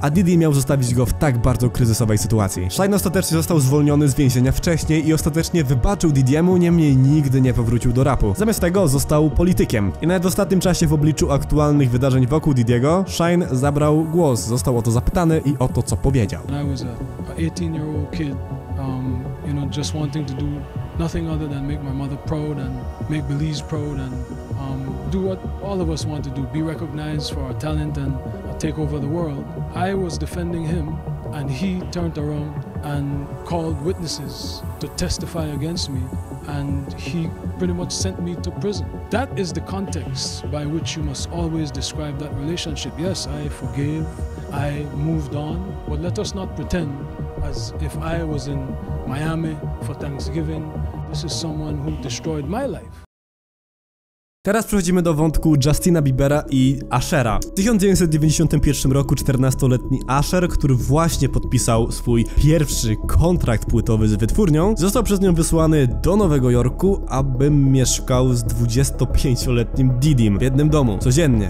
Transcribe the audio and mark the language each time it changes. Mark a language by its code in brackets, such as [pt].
[pl] A Diddy miał zostawić go w tak bardzo kryzysowej sytuacji. Shine ostatecznie został zwolniony z więzienia wcześniej i ostatecznie wybaczył Diddy'emu, niemniej nigdy nie powrócił do rapu. Zamiast tego został politykiem. I nawet w ostatnim czasie, w obliczu aktualnych wydarzeń wokół Diddy'ego, Shine zabrał głos, został o to zapytany i o to, co powiedział. [en] I was an 18-year-old kid, you know, just wanting to do nothing other than make my mother proud and make Belize proud and do what all of us want to do, be recognized for our talent and take over the world. I was defending him and he turned around and called witnesses to testify against me and he pretty much sent me to prison. That is the context by which you must always describe that relationship. Yes, I forgave, I moved on, but let us not pretend as if I was in Miami for Thanksgiving. This is someone who destroyed my life. [pl] Teraz przechodzimy do wątku Justina Biebera i Ushera. W 1991 roku 14-letni Usher, który właśnie podpisał swój pierwszy kontrakt płytowy z wytwórnią, został przez nią wysłany do Nowego Jorku, aby mieszkał z 25-letnim Diddym w jednym domu. Codziennie.